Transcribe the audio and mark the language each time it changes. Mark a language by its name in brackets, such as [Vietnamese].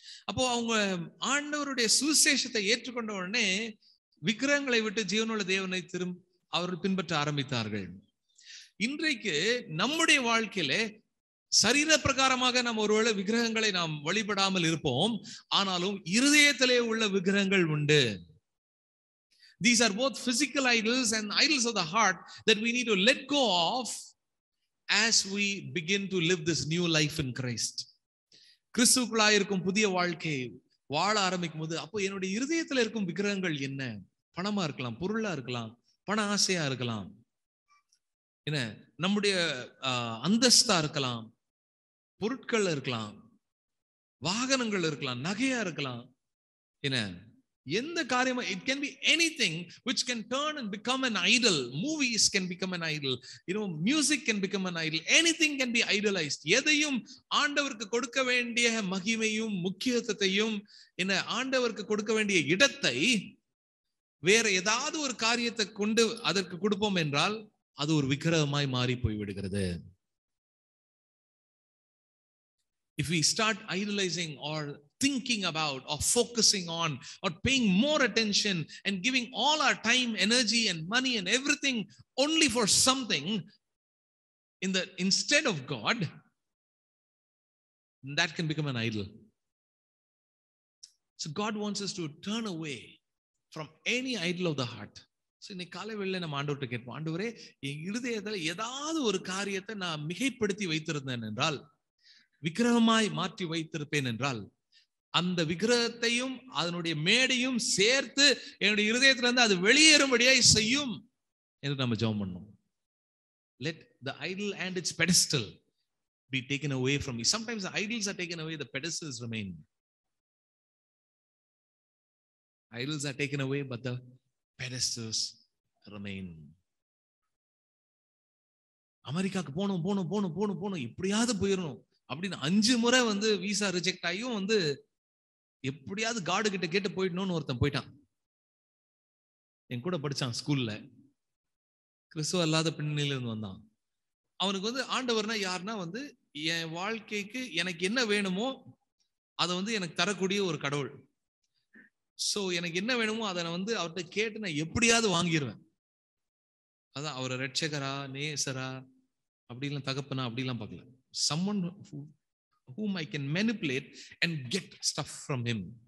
[Tamil] அப்போ அவங்க ஆண்டவருடைய சுவிசேஷத்தை ஏற்றுக்கொண்ட உடனே விக்கிரகங்களை விட்டு ஜீவனுள்ள தேவனை அவர்கள் பின்பற்ற ஆரம்பித்தார்கள். இன்றைக்கு நம்முடைய வாழ்க்கையிலே சரீர பிரகாரமாக நாம் ஒருவேளை விக்கிரகங்களை நாம் வழிபடாமல் இருப்போம், ஆனாலும் இருதயத்திலே உள்ள விக்கிரகங்கள் உண்டு. [English] These are both physical idols and idols of the heart that we need to let go of as we begin to live this new life in Christ. [Tamil] கிறிஸ்துவுக்குள்ளா இருக்கும் புதிய வாழ்க்கை வாழ ஆரம்பிக்கும் போது அப்போ என்னுடைய இதயத்தில் இருக்கும் விக்கிரகங்கள் என்ன? பணமா இருக்கலாம், பொருளா இருக்கலாம், பண ஆசையா இருக்கலாம், என்ன நம்முடைய அந்தஸ்தா இருக்கலாம், பொருட்கள் இருக்கலாம், வாகனங்கள் இருக்கலாம், நகையா இருக்கலாம், என்ன எந்த காரியமா, [English] It can be anything which can turn and become an idol. Movies can become an idol, you know music can become an idol, anything can be idolised. [Tamil] எதையும் ஆண்டவருக்கு கொடுக்க வேண்டிய மகிமையும் முக்கியத்துவத்தையும் என்ன ஆண்டவருக்கு கொடுக்க வேண்டிய இடத்தை வேற ஏதாவது ஒரு காரியத்தை கொண்டு அதற்கு கொடுப்போம் என்றால் அது ஒரு விக்கிரகமாய் மாறி போய் விடுகிறது. [English] If we start idolizing or thinking about or focusing on or paying more attention and giving all our time, energy and money and everything only for something in the instead of God, that can become an idol. So God wants us to turn away from any idol of the heart. [Tamil] So in kaala velle nam aandavarai ketta aandavare en irudhayathil edhaavadhu oru kaariyatha na migaippaduthi veithirundhen endral விக்கிரகமாய் மாற்றி வைத்திருப்பேன் என்றால் அந்த விக்கிரகத்தையும் அதனுடைய மேடையும் சேர்த்து என்னுடைய இருதயத்திலிருந்து அது வெளியேறும்படியாய் செய்யும் என்று நம்ம ஜெபம் பண்ணோம். [English] Let the idol and its pedestal be taken away from me. Sometimes the idols are taken away, the pedestals remain. Idols are taken away, but the pedestals remain. [Tamil] அமெரிக்காக்கு போகணும் போகணும் போகணும் போகணும் போகணும் எப்படியாவது போயிடணும் அப்படின்னு அஞ்சு முறை வந்து விசா ரிஜெக்ட் ஆகியும் வந்து எப்படியாவது காடு கிட்ட கேட்டு போயிடணும்னு ஒருத்தன் போயிட்டான். என் கூட படிச்சான் ஸ்கூல்ல, கிறிஸ்துவ அல்லாத பின்னணியிலிருந்து வந்தான். அவனுக்கு வந்து ஆண்டவர்னா யாருன்னா வந்து என் வாழ்க்கைக்கு எனக்கு என்ன வேணுமோ அதை வந்து எனக்கு தரக்கூடிய ஒரு கடவுள். ஸோ எனக்கு என்ன வேணுமோ அதை வந்து அவர்கிட்ட கேட்டு நான் எப்படியாவது வாங்கிடுவேன். அதான் அவரை ரட்சகரா நேசரா அப்படின்லாம் தகப்பனா அப்படிலாம் பார்க்கல. [English] Someone whom I can manipulate and get stuff from him.